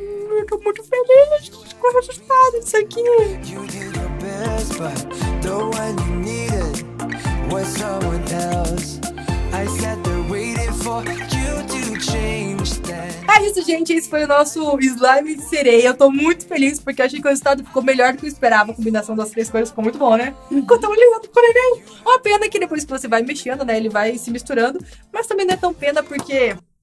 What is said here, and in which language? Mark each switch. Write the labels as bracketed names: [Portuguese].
[Portuguese] Eu tô muito feliz com o resultado disso aqui. [English] You did your best, but the one you needed was someone else. I sat there waiting for you to change. [Portuguese] É isso, gente. Esse foi o nosso slime de sereia. Eu tô muito feliz porque achei que o resultado ficou melhor do que eu esperava. A combinação das três cores ficou muito bom, né? Ficou tão lindo, ficou legal. Uma pena que depois que você vai mexendo, né, ele vai se misturando. Mas também não é tão pena porque...